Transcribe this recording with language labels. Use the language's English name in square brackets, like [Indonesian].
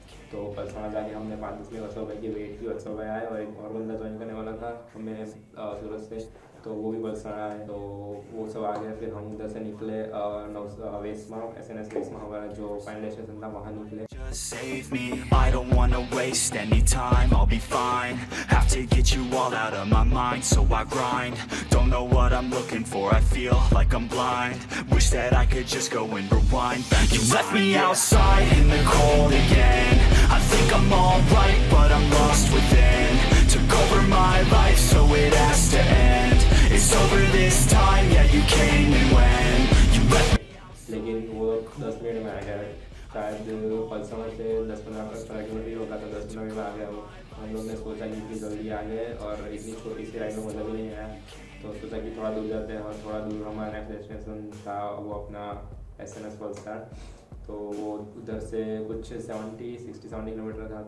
[Hindi] तो पलसाना जाके हमने 5-10 मिनट वत्सल भाई की वेट की, वत्सल भाई आए और एक और बंदा ज्वाइन करने वाला था हमें सूरत से, तो वो भी पलसाना आए, तो वो सब आ गए। फिर हम उधर से निकले और वेस्मा SNS हमारा जो फाइनल स्टेशन था वहाँ निकले। [English] Just save me, I don't wanna waste any time, I'll be fine. Have to get you all out of my mind, so I grind. Don't know what I'm looking for, I feel like I'm blind. Wish that I could just go and rewind. You left me outside in the cold again. I think I'm alright, but I'm lost within. Took over my life, so it has to end. It's over this time, yeah, you came and went. You left me outside. [Hindi] शायद पलसाना से 10-15 minute होगा, तो 10 minute आ गया। हम लोग ने सोचा कि इतनी जल्दी आ गए और इतनी छोटी सी राइड में मज़ा भी नहीं आया, तो सोचा कि थोड़ा दूर जाते हैं। और थोड़ा दूर हमारा नेक्स्ट डेस्टिनेशन था वो अपना SNS वलसाड, तो वो उधर से कुछ 70 किलोमीटर था।